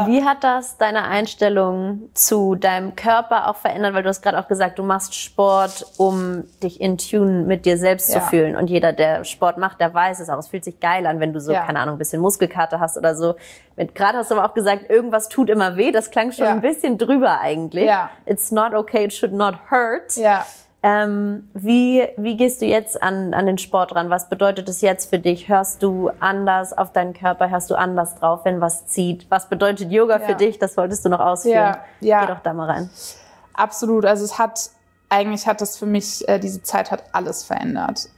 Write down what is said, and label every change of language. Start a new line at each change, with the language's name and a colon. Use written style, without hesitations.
German: Und wie hat das deine Einstellung zu deinem Körper auch verändert? Weil du hast gerade auch gesagt, du machst Sport, um dich in Tune mit dir selbst zu fühlen. Und jeder, der Sport macht, der weiß es auch. Es fühlt sich geil an, wenn du so, keine Ahnung, ein bisschen Muskelkater hast oder so. Gerade hast du aber auch gesagt, irgendwas tut immer weh. Das klang schon ein bisschen drüber eigentlich. Ja.
English: It's not okay, it should not hurt.
German: Ja. Wie gehst du jetzt an den Sport ran? Was bedeutet es jetzt für dich? Hörst du anders auf deinen Körper? Hörst du anders drauf, wenn was zieht? Was bedeutet Yoga für dich? Das wolltest du noch ausführen. Ja. Geh doch da mal rein. Absolut. Also eigentlich hat das für mich, diese Zeit hat alles verändert.